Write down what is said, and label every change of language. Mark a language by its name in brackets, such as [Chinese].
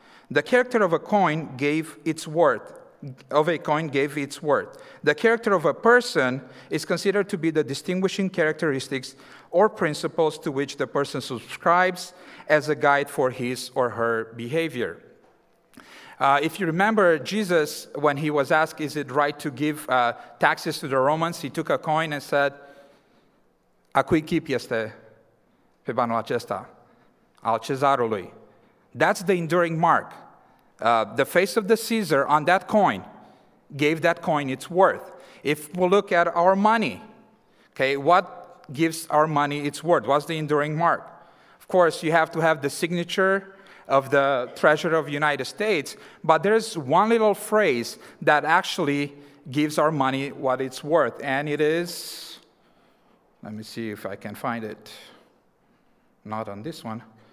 [English] The character of a coin gave its worth. The character of a person is considered to be the distinguishing characteristics or principles to which the person subscribes as a guide for his or her behavior." If you remember, Jesus, when he was asked, "Is it right to give taxes to the Romans?" he took a coin and said, [Romanian] "A cui chip este pe banul acesta? Al Cezarului." [English] That's the enduring mark. The face of the Caesar on that coin gave that coin its worth. If we look at our money, okay, what gives our money its worth? What's the enduring mark? Of course, you have to have the signature of the treasurer of the United States, but there's one little phrase that actually gives our money what it's worth, and it is, let me see if I can find it, not on this one.